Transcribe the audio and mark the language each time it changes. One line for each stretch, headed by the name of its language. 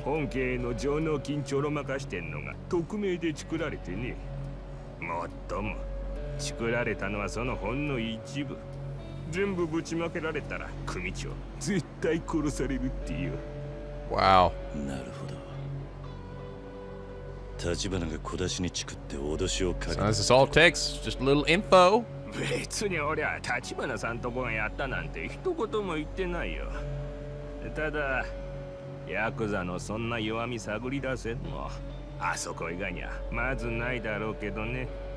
Japanese: 本家への情の緊張ろまかしてんのが匿名で作られてね。もっとも、作られたのはそのほんの一部。全部ぶちまけられたら組長絶対殺されるっていう。Wow. なるほど。立花が小出しに作って脅しをかけた。
English: So this is all it takes, just a little info.
Japanese: 別に俺は立花さんとこがやったなんて一言も言ってないよ。ただヤクザのそんな弱み探り出せんの。あそこ以外にはまずないだろうけどね。